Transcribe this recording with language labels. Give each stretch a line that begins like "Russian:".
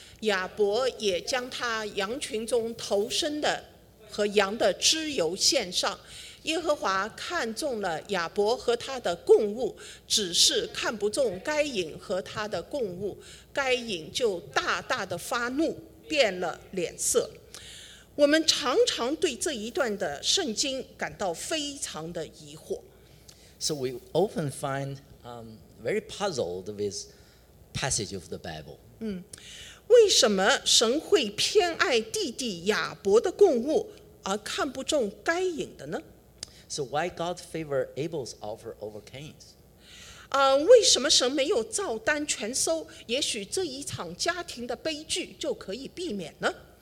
Chinese: 亚伯也将他羊群中头生的和羊的脂油献上，耶和华看中了亚伯和他的供物，只是看不中该隐和他的供物，该隐就大大的发怒，变了脸色。我们常常对这一段的圣经感到非常的疑惑。
English: So we often find very puzzled with passage of the Bible.
Chinese: 为什么神会偏爱弟弟亚伯的供物而看不中该隐的呢？
English: So why God favor Abel's offer over Cain's?
Chinese: 为什么神没有照单全收，也许这一场家庭的悲剧就可以避免呢？